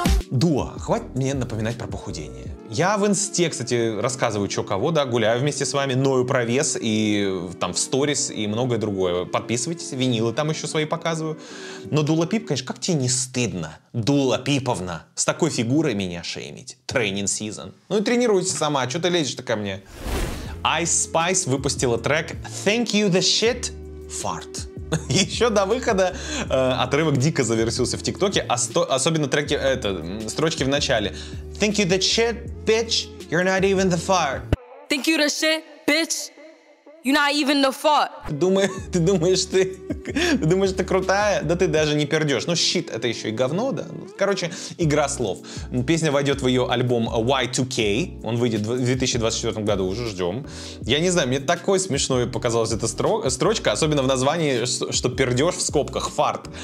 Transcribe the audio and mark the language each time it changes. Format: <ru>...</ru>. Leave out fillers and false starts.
<ru>Дуа, хватит мне напоминать про похудение. Я в инсте, кстати, рассказываю чё кого, да, гуляю вместе с вами, ною про вес и там в сторис и многое другое. Подписывайтесь, винилы там еще свои показываю. Но Дуа Липа, конечно, как тебе не стыдно, Дуа Липовна, с такой фигурой меня шеймить.</ru> <en>Training season.</en> <ru>Ну и тренируйся сама, чё ты лезешь-то ко мне? Ice Spice выпустила трек Thank You The Shit Fart. Еще до выхода отрывок дико завирусился в ТикТоке, особенно треки, это, строчки в начале.</ru> <en>Thank you the shit, bitch, you're not even the fart. Thank you the shit, bitch, you're not even the fart.</en> <ru>Ты думаешь, ты крутая? Да ты даже не пердешь. Ну, shit, это еще и говно, да? Короче, игра слов. Песня войдет в ее альбом Y2K. Он выйдет в 2024 году, уже ждем. Я не знаю, мне такой смешной показалась эта строчка, особенно в названии, что пердешь в скобках, фарт.</ru>